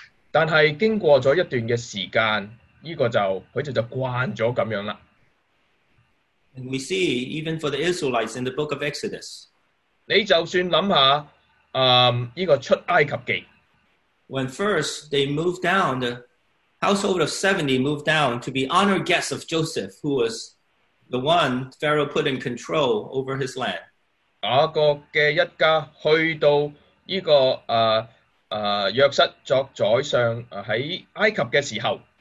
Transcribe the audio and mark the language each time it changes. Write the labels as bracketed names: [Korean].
[Cantonese] 但系经过咗一段嘅时间。这个就惯咗咁样啦。 [English] And we see even for the Israelites in the book of Exodus. [Cantonese] 你就算谂下，这个出埃及记。 [English] When first they moved down, the household of 70 moved down to be honored guests of Joseph, who was the one Pharaoh put in control over his land. [Cantonese] 雅各嘅一家去到这个约瑟作宰相喺埃及嘅时候。